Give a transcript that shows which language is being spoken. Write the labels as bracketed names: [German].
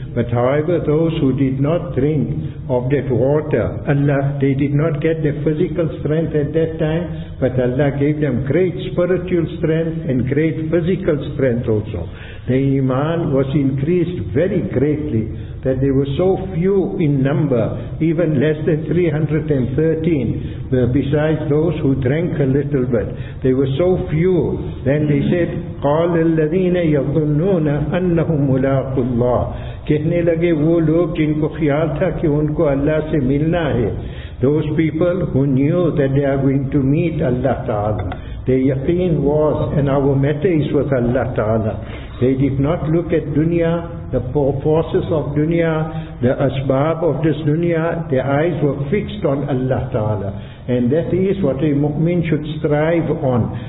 [English] But however, those who did not drink of that water, Allah, they did not get the physical strength at that time, but Allah gave them great spiritual strength and great physical strength also. The iman was increased very greatly, that they were so few in number, even less than 313, besides those who drank a little bit. They were so few. Then they said, [Arabic] قَالَ الَّذِينَ يَظُنُّونَ أَنَّهُمْ مُلَاقُ اللَّهِ. [Urdu] کہنے لگے وہ لوگ جن کو خیال تھا کہ ان کو اللہ سے ملنا ہے. [English] Those people who knew that they are going to meet Allah Ta'ala. Their yaqeen was, and our matter is with Allah Ta'ala. They did not look at dunya, the forces of dunya, the asbab of this dunya. Their eyes were fixed on Allah Ta'ala. And that is what a mu'min should strive on.